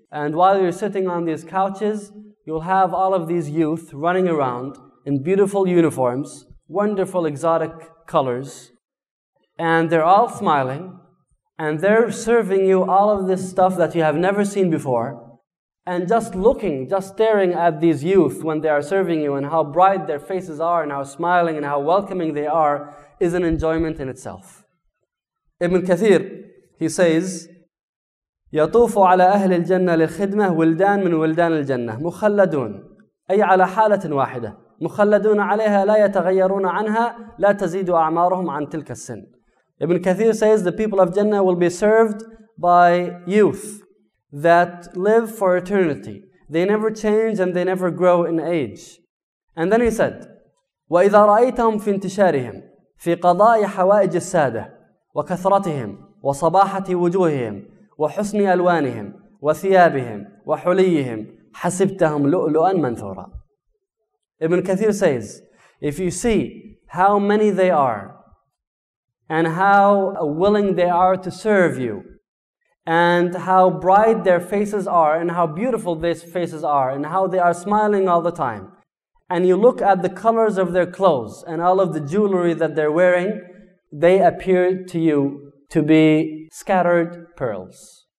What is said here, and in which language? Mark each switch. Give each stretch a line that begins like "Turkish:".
English: And while you're sitting on these couches, you'll have all of these youth running around in beautiful uniforms, wonderful exotic colors, and they're all smiling, and they're serving you all of this stuff that you have never seen before. And just looking, just staring at these youth when they are serving you, and how bright their faces are, and how smiling, and how welcoming they are, is an enjoyment in itself. Ibn Kathir, he says,
Arabic: يطوف على أهل الجنة للخدمة ولدان من ولدان الجنة مخلدون أي على حالة واحدة مخلدون عليها لا يتغيرون عنها لا تزيد أعمارهم عن تلك السن.
English: Ibn Kathir says the people of Jannah will be served by youth that live for eternity. They never change and they never grow in age. And then he said,
Arabic: وإذا رأيتهم في انتشارهم في قضاء حوائج السادة وكثرتهم وصباحة وجوههم وحسن ألوانهم وثيابهم وحليهم حسبتهم لؤلؤا منثورا.
English: Ibn Kathir says, if you see how many they are and how willing they are to serve you and how bright their faces are and how beautiful these faces are and how they are smiling all the time, and you look at the colors of their clothes and all of the jewelry that they're wearing, they appear to you to be scattered pearls.